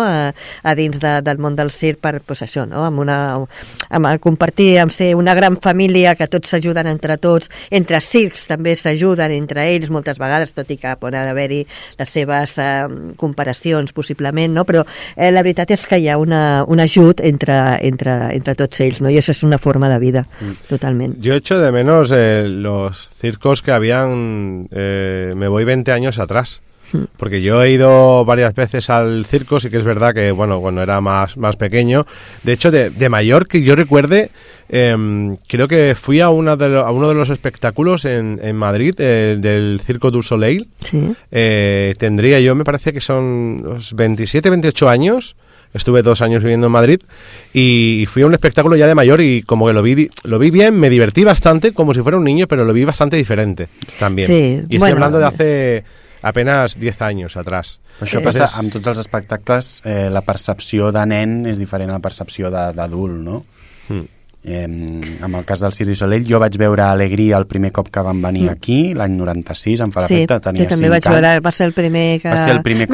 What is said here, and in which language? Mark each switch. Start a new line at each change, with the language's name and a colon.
Catalan: A dins del món del circ, per, pues, això, no? Compartir, amb ser una gran família, que tots s'ajuden entre tots, entre circs també s'ajuden entre ells moltes vegades, tot i que poden haver-hi les seves comparacions possiblement, no? Però la veritat és que hi ha un ajut entre tots ells, no? I això és una forma de vida, totalment.
Spanish: Yo echo de menos los circos que habían, me voy 20 años atrás, porque yo he ido varias veces al circo, sí que es verdad que, bueno, cuando era más pequeño, de hecho, de mayor que yo recuerde, creo que fui a uno de los espectáculos en Madrid, del Circo du Soleil. ¿Sí? Tendría yo, me parece que son 27, 28 años. Estuve 2 años viviendo en Madrid y fui a un espectáculo ya de mayor, y como que lo vi bien, me divertí bastante como si fuera un niño, pero lo vi bastante diferente también. Sí, y estoy hablando de hace apenas 10 años atrás.
Catalan: Això passa amb tots els espectacles, la percepció de nen és diferent a la percepció d'adult, no? En el cas del Cirque du Soleil, jo vaig veure Alegria el primer cop que van venir aquí, l'any 96, em fa l'efecte, tenia 5 anys. Sí, jo també vaig veure, va ser el primer que... Va ser el primer cop